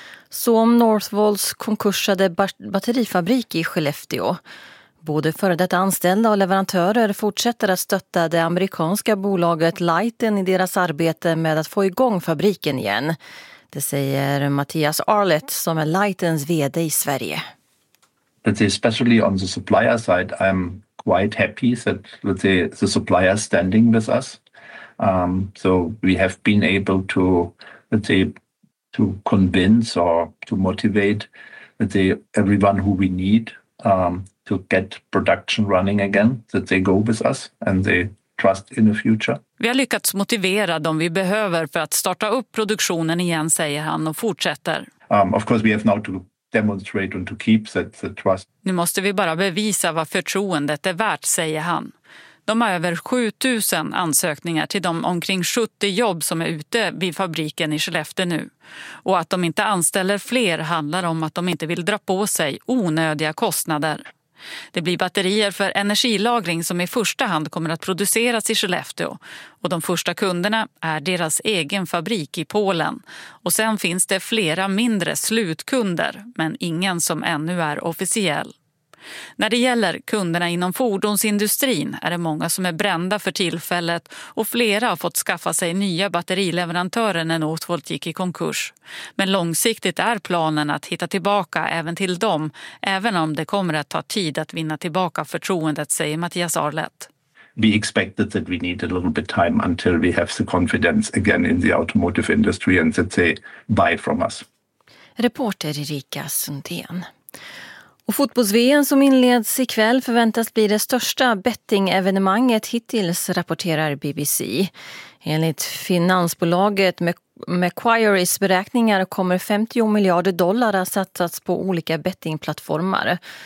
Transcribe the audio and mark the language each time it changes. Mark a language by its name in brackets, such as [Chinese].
[Swedish] Så om Northvolts konkursade batterifabrik i Skellefteå. Både före detta anställda och leverantörer fortsätter att stötta det amerikanska bolaget Lighten i deras arbete med att få igång fabriken igen. Det säger Mattias Arlett som är Lightens vd i Sverige. [English] Let's say especially on the supplier side, I'm quite happy that let's say the supplier standing with us. So we have been able to let's say to convince or to motivate let's say everyone who we need to get production running again, that they go with us and they trust in the future. [Swedish] Vi har lyckats motivera dem vi behöver för att starta upp produktionen igen, säger han och fortsätter. [English] Of course we have now to demonstrate and to keep the trust. [Swedish] Nu måste vi bara bevisa vad förtroendet är värt, säger han. De har över 7000 ansökningar till de omkring 70 jobb som är ute vid fabriken i Skellefteå nu. Och att de inte anställer fler handlar om att de inte vill dra på sig onödiga kostnader. Det blir batterier för energilagring som i första hand kommer att produceras i Skellefteå. Och de första kunderna är deras egen fabrik i Polen. Och sen finns det flera mindre slutkunder, men ingen som ännu är officiell. När det gäller kunderna inom fordonsindustrin är det många som är brända för tillfället och flera har fått skaffa sig nya batterileverantörer när Northvolt gick i konkurs. Men långsiktigt är planen att hitta tillbaka även till dem, även om det kommer att ta tid att vinna tillbaka förtroendet, säger Mattias Arlett. [English] We expected that we need a little bit time until we have the confidence again in the automotive industry and that they buy from us. [Swedish] Reporter Erika Sundén. Och fotbolls-VM som inleds ikväll förväntas bli det största betting-evenemanget hittills, rapporterar BBC. Enligt finansbolaget Macquarie's beräkningar kommer 50 miljarder dollar att satsas på olika bettingplattformar.